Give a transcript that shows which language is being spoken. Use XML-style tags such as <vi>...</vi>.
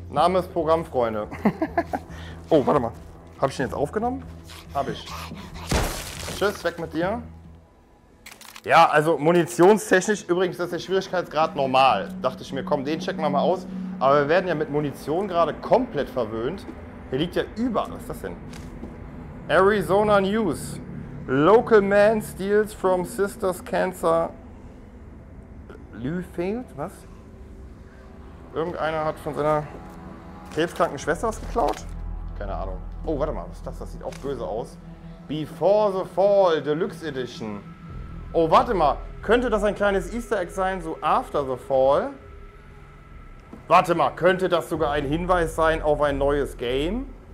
<de>Name ist Programm, Freunde. Oh, warte mal. Habe ich den jetzt aufgenommen? Habe ich. Tschüss, weg mit dir. Ja, also munitionstechnisch, übrigens ist der Schwierigkeitsgrad normal. Dachte ich mir, komm, den checken wir mal aus. Aber wir werden ja mit Munition gerade komplett verwöhnt. Hier liegt ja überall. Was ist das denn? Arizona News.</de> <en>Local man steals from sister's cancer.</en> <de>Lüfeld, was? Irgendeiner hat von seiner krebskranken Schwester was geklaut? Keine Ahnung. Oh, warte mal, was ist das? Das sieht auch böse aus. Before the Fall Deluxe Edition. Oh, warte mal. Könnte das ein kleines Easter Egg sein, so After the Fall? Warte mal, könnte das sogar ein Hinweis sein auf ein neues Game?</de>